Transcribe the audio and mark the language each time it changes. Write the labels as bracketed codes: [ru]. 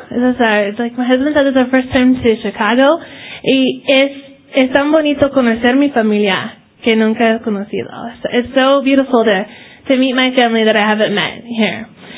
[en] It's like my husband said, it's our first time to Chicago. [es] Y es tan bonito conocer mi familia que nunca he conocido. [en] It's so beautiful to meet my family that I haven't met here.